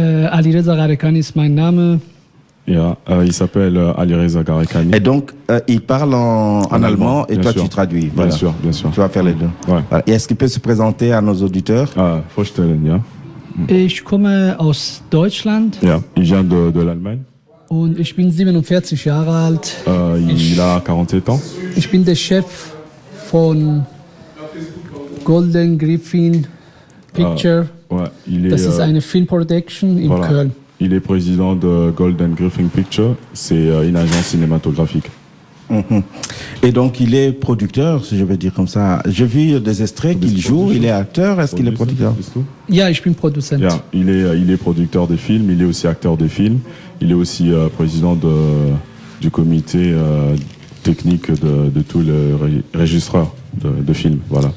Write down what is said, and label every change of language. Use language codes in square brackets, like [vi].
[fr] Ali Reza Garekani, c'est mon nom. Yeah, il s'appelle Ali Reza Garekani. Et donc, il parle en allemand et toi, sûr. Tu traduis. Voilà. Bien sûr, bien sûr. Tu vas faire les deux. Ouais. Voilà. Et est-ce qu'il peut se présenter à nos auditeurs? [de] Vorstellen, ja. Ich komme aus Deutschland. [fr] Ja, il vient de l'Allemagne. [de] Und ich bin 47 Jahre alt. [fr] Il a 47 ans. [de] Ich bin der Chef von Golden Griffin Picture. Das ist eine Film Production in [fr] voilà. [de] Köln. [fr] Il est président de Golden Griffin Picture, c'est une agence cinématographique. Et donc, il est producteur, si je veux dire comme ça. J'ai vu des extraits qu'il joue, il est acteur, est-ce qu'il est producteur? Il est producteur des films, il est aussi acteur des films, il est aussi président du comité technique de tous les régisseurs de films, voilà.